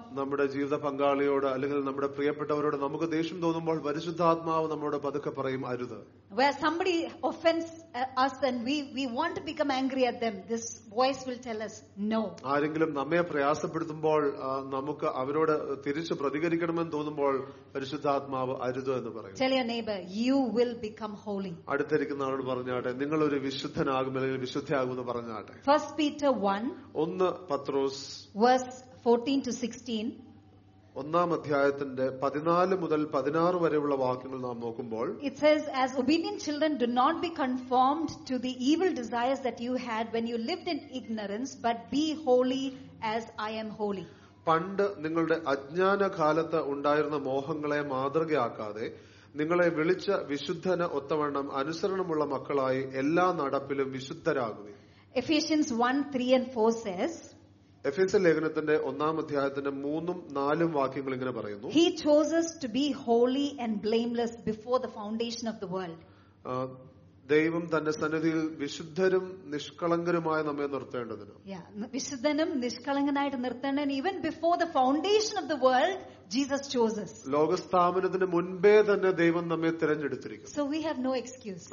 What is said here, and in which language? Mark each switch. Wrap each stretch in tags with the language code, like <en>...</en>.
<ml>നമ്മുടെ ജീവിത പങ്കാളിയോട് അല്ലെങ്കിൽ നമ്മുടെ പ്രിയപ്പെട്ടവരോട് നമുക്ക് ദേഷ്യം തോന്നുമ്പോൾ പരിശുദ്ധാത്മാവ് നമ്മോട് പതുക്കെ പറയും അരുത്.</ml> <en>Where somebody offends us and we want to become angry at them, this voice will tell us no.</en> <ml>ആരെങ്കിലും നമ്മെ പ്രയാസപ്പെടുത്തുമ്പോൾ നമുക്ക് അവരോട് തിരിച്ച് പ്രതികരിക്കണമെന്ന് തോന്നുമ്പോൾ പരിശുദ്ധാത്മാവ് അരുത് എന്ന് പറയും.</ml> <en>Tell your neighbor, you will become holy.</en> <ml>അടുത്തിരിക്കുന്ന ആളോട് പറഞ്ഞാട്ടെ, നിങ്ങൾ ഒരു വിശുദ്ധനാകും അല്ലെങ്കിൽ വിശുദ്ധയാകും എന്ന് പറഞ്ഞാട്ടെ.</ml> <en>1 Peter 1</en> <ml>ഒന്ന് പത്രോസ്</ml> <en>verse 14 to 16</en> <ml>ഒന്നാം അധ്യായത്തിന്റെ 14 മുതൽ 16 വരെയുള്ള വാക്യങ്ങൾ നാം നോക്കുമ്പോൾ</ml> <en>it says as obedient children do not be conformed to the evil desires that you had when you lived in ignorance but be holy as I am holy.</en> <ml>പണ്ട് നിങ്ങളുടെ അജ്ഞാന കാലത്ത് ഉണ്ടായിരുന്ന മോഹങ്ങളെ മാതൃകയാക്കാതെ നിങ്ങളെ വിളിച്ച വിശുദ്ധന ഒത്തവണ്ണം അനുസരണമുള്ള മക്കളായി എല്ലാ നടപ്പിലും വിശുദ്ധരാകുവിൻ.</ml> <en>Ephesians 1:3-4 says</en> <ml>എഫേസ്യ ലേഖനത്തിന്റെ ഒന്നാം അധ്യായത്തിന്റെ 3-4 വാക്യങ്ങൾ ഇങ്ങനെ പറയുന്നു.</ml> <en>He chose us to be holy and blameless before the foundation of the world.</en> <ml>ദൈവം തന്റെ സന്നിധിയിൽ വിശുദ്ധരും നിഷ്കളങ്കരുമായ നമ്മെ നിർത്തേണ്ടതിന്. വിശുദ്ധനും നിഷ്കളങ്കനായിട്ട് നിർത്തേണ്ടതിന്</ml> <en>Even before the foundation of the world Jesus chooses.</en> <ml>ലോകസ്ഥാപനത്തിന് മുൻപേ തന്നെ ദൈവം നമ്മെ തിരഞ്ഞെടുത്തിരിക്കും.</ml> <en>So we have no excuse.</en>